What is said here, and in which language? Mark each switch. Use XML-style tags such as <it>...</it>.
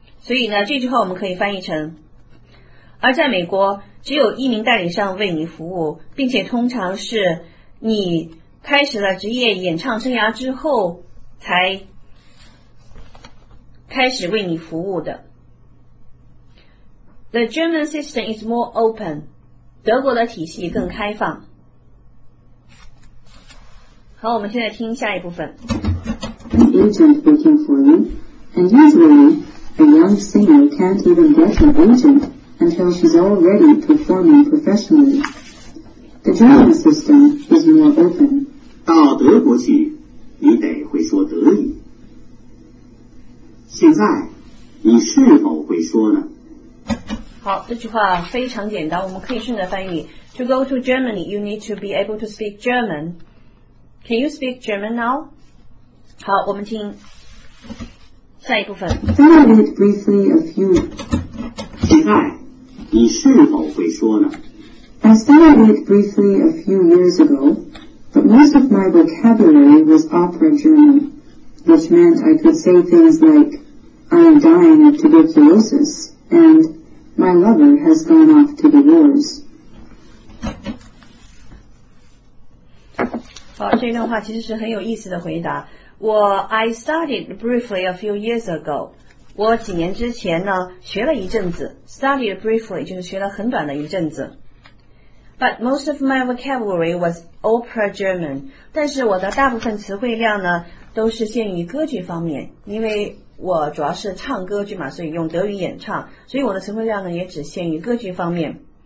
<zh>所以呢这句话我们可以翻译成：而在美国只有一名代理商为你服务，并且通常是你开始了职业演唱生涯之后才开始为你服务的。</zh> <en>The German system is more open，</en> <zh>德国的体系更开放。好，我们现在听下一部分。</zh> <en>An agent working for you， and usually a young singer can't even get an agentUntil she's already performing professionally. The German system is more open.</en> <zh>到德国去，你得会说德语。现在，你是否会说呢？好，这句话非常简单，我们可以顺着翻译。</zh> <en>To go to Germany, you need to be able to speak German. Can you speak German now?</en> <zh>好，我们听下一部分。</zh> <en>Can I read briefly a few?</en> <zh>现在你是否会说呢？</zh> <en>I studied it briefly a few years ago, but most of my vocabulary was opera German, which meant I could say things like, I am dying of tuberculosis, and my lover has gone off to the wars.</en> <zh>好，这段话其实是很有意思的回答。</zh> <en>I studied briefly a few years ago.</en> <zh>我几年之前呢学了一阵子， studied briefly 就是学了很短的一阵子。</zh> <en>But most of my vocabulary was opera German，</en> <zh>但是我的大部分词汇量呢都是限于歌剧方面，因为我主要是唱歌剧嘛，所以用德语演唱，所以我的词汇量呢也只限于歌剧方面。</zh>